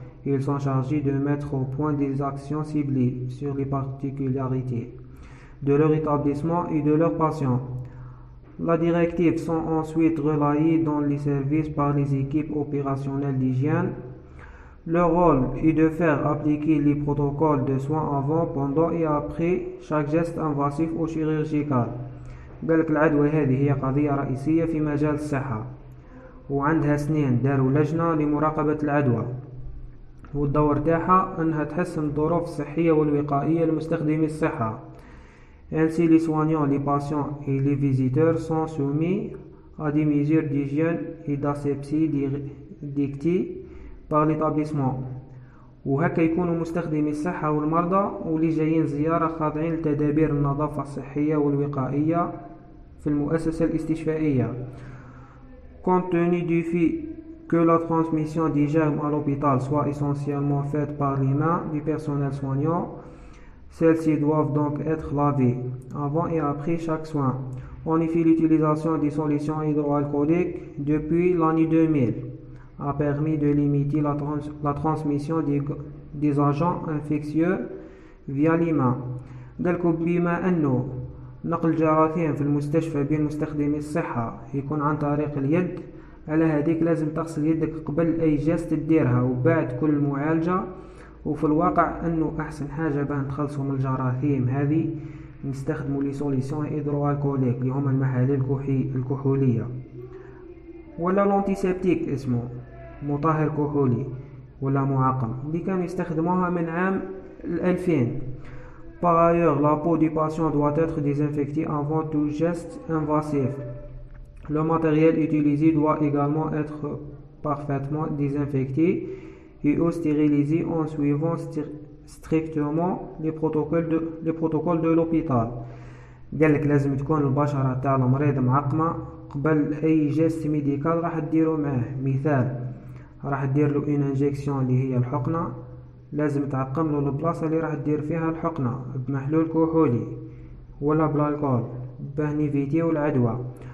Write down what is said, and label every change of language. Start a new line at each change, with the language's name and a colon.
French: Ils sont chargés de mettre au point des actions ciblées sur les particularités de leur établissement et de leurs patients. La directive sont ensuite relayées dans les services par les équipes opérationnelles d'hygiène. Leur rôle est de faire appliquer les protocoles de soins avant, pendant et après chaque geste invasif ou chirurgical.
Arabic: قالك العدوى هذه هي قضية رئيسية في مجال الصحة وعندها سنين داروا لجنة لمراقبة العدوى والدور تاعها انها تحسن الظروف الصحية والوقائية لمستخدمي الصحة.
French: Ainsi, les soignants, les patients et les visiteurs sont soumis à des mesures d'hygiène et d'asepsie dictées par l'établissement.
Arabic: وهكا يكونوا مستخدمي الصحة والمرضى واللي جايين زيارة خاضعين لتدابير النظافة الصحية والوقائية في المؤسسة الاستشفائية.
French: Compte tenu du fait que la transmission des germes à l'hôpital soit essentiellement faite par les mains du personnel soignant, celles-ci doivent donc être lavées avant et après chaque soin. En effet, l'utilisation des solutions hydroalcooliques depuis l'année 2000 a permis de limiter la transmission des agents infectieux via les mains.
Arabic: قالك بما انه نقل الجراثيم في المستشفى بين مستخدمي الصحة يكون عن طريق اليد، على هذيك لازم تغسل يدك قبل أي جست تديرها وبعد كل معالجة. وفي الواقع أنه أحسن حاجة باه نتخلصوا من الجراثيم هذه نستخدموا لي سوليسيون هيدروالكوليك اللي هما المحاليل الكحولية ولا لونتيسيبتيك اسمه مطهر كحولي ولا معقم اللي كانوا يستخدموها من عام 2000.
French: Par ailleurs, la peau du patient doit être désinfectée avant tout geste invasif. Le matériel utilisé doit également être parfaitement désinfecté et ou stérilisé en suivant strictement les protocoles de l'hôpital.
Arabic: قالك لازم تكون البشرة تاع المريض معقمة قبل أي جست ميديكال راح تديرو معاه. مثال راح تدير له إين انجيكسيون اللي هي الحقنة، لازم تعقم له البلاصة اللي راح تدير فيها الحقنة بمحلول كحولي ولا بالالكول باه نيفيتيو العدوى.